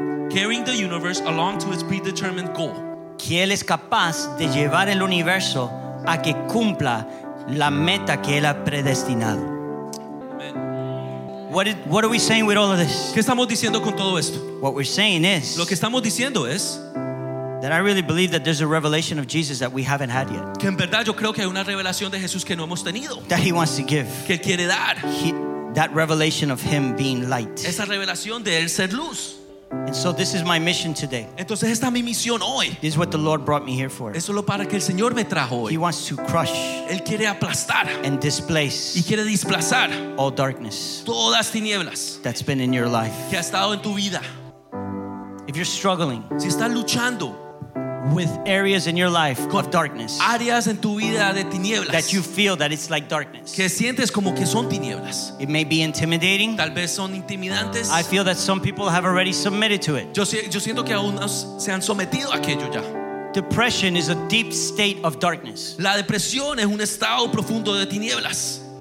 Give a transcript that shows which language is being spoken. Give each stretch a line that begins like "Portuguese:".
English: Carrying the universe along to its predetermined goal.
Spanish: Que él es capaz de llevar el universo a que cumpla la meta que él ha predestinado.
English: Amen. What are we saying with all of this?
Spanish: ¿Qué estamos diciendo con todo esto?
English: What we're saying is.
Spanish: Lo que estamos diciendo es.
English: That I really believe that there's a revelation of Jesus that we haven't had yet.
Spanish: Que en verdad yo creo que hay una revelación de Jesús que no hemos tenido.
English: That he wants to give.
Spanish: Que él quiere dar.
English: That revelation of him being light.
Spanish: Esa revelación de él ser luz.
English: And so this is my mission today.
Spanish: Entonces esta es mi misión hoy.
English: This is what the Lord brought me here for.
Spanish: Es solo para que el Señor me trajo hoy.
English: He wants to crush.
Spanish: Él quiere aplastar.
English: And displace.
Spanish: Y quiere desplazar.
English: All darkness.
Spanish: Todas tinieblas.
English: That's been in your life.
Spanish: Que ha estado en tu vida.
English: If you're struggling.
Spanish: Si estás luchando.
English: With areas in your life of darkness.
Spanish: Áreas en tu vida de tinieblas.
English: That you feel that it's like darkness.
Spanish: Que sientes como que son tinieblas.
English: It may be intimidating.
Spanish: Tal vez son intimidantes.
English: I feel that some people have already submitted to it.
Spanish: Yo siento que algunos se han sometido a aquello ya.
English: Depression is a deep state of darkness.
Spanish: La depresión es un estado profundo de tinieblas.